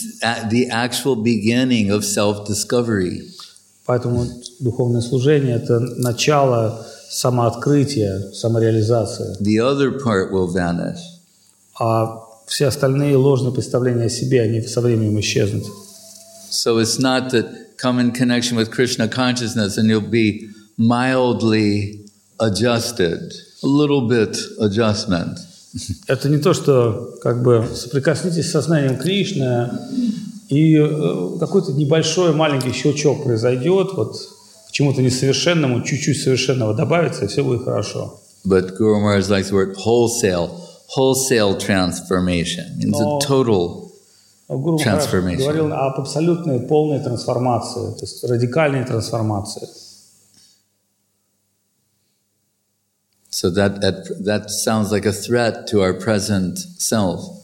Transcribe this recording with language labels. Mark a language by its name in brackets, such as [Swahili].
[English] The actual beginning of self-discovery. [Russian] Поэтому духовное служение — это начало самооткрытия, самореализации. [English] The other part will vanish. [Russian] А все остальные ложные представления о себе, они со временем исчезнут. [English] So it's not that come in connection with Krishna consciousness and you'll be mildly adjusted. A little bit adjustment. [Russian] Это не то, что как бы соприкоснитесь с сознанием Кришны, и какой-то небольшой маленький щелчок произойдет, вот к чему-то несовершенному, чуть-чуть совершенного добавится, и все будет хорошо. [English] But Guru Maharaj likes the word wholesale. Wholesale transformation means a total transformation. [Russian] Гуру Махарадж говорил об абсолютной, полной трансформации, то есть радикальной трансформации. [English] So that sounds like a threat to our present self.